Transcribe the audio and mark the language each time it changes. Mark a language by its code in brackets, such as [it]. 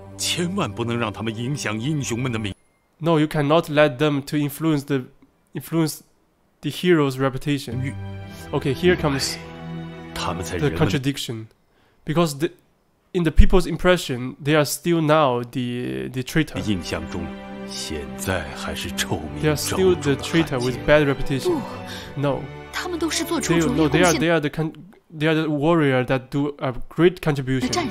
[zh] 千万不能让他们影响英雄们的命 [en] No, you cannot let them to influence the hero's reputation. Okay, here comes the contradiction. Because in the people's impression, they are still now the traitor. [zh] 印象中现在还是臭名昭著的汉奸 [en] They are still the traitor with bad reputation. No. They are the warrior that do a great contribution.